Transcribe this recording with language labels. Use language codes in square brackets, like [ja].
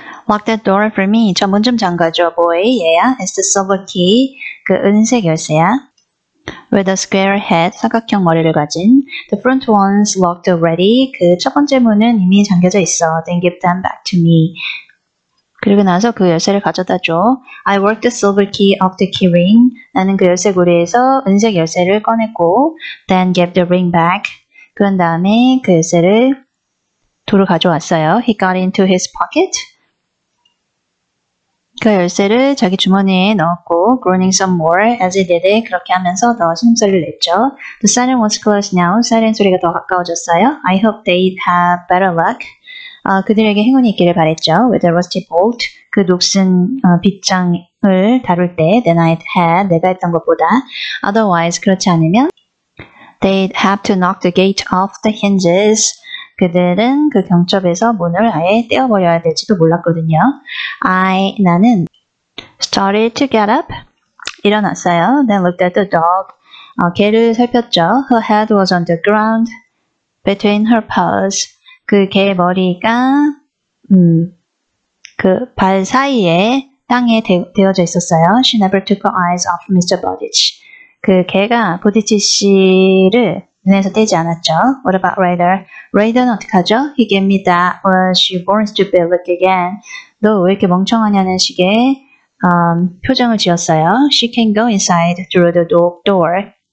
[en] Lock that door for me. [ko] 저문좀 잠가줘, [en] boy. Yeah, it's the silver key. [ko] 그 은색 열쇠야. [en] With a square head, [ko] 사각형 머리를 가진. [en] The front one's locked already. [ko] 그첫 번째 문은 이미 잠겨져 있어. [en] Then give them back to me. [ko] 그리고 나서 그 열쇠를 가져다 줘. [en] I worked the silver key off the key ring. [ko] 나는 그 열쇠고리에서 은색 열쇠를 꺼냈고. [en] Then gave the ring back. [ko] 그런 다음에 그 열쇠를 도로 가져왔어요. [en] He got into his pocket. [ko] 그 열쇠를 자기 주머니에 넣었고, [en] groaning some more as he did it. [ko] 그렇게 하면서 더 신음소리를 냈죠. [en] The siren was close now. [ko] 사이렌 소리가 더 가까워졌어요. [en] I hope they have better luck. [ko] 그들에게 행운이 있기를 바랬죠. [en] With a rusty bolt. [ko] 그 녹슨 빗장을 다룰 때, [en] than I had, [ko] 내가 했던 것보다. [en] Otherwise, [ko] 그렇지 않으면, [en] they'd have to knock the gate off the hinges. [ko] 그들은 그 경첩에서 문을 아예 떼어버려야 될지도 몰랐거든요. 나는 [en] started to get up. [ko] 일어났어요. [en] Then looked at the dog. [ko] 개를 살폈죠. [en] Her head was on the ground between her paws. [ko] 그 개의 머리가 그 발 사이에 땅에 되어져 있었어요. [en] She never took her eyes off Mr. Bodich. [ko] 그 개가 보디치 씨를 눈에서 떼지 않았죠. [en] What about Raider? [ko] Raider는 어떡하죠? [en] He gave me that when she born stupid look again. [ko] 너 왜 이렇게 멍청하냐는 식의 표정을 지었어요. [en] She can go inside through the dog door.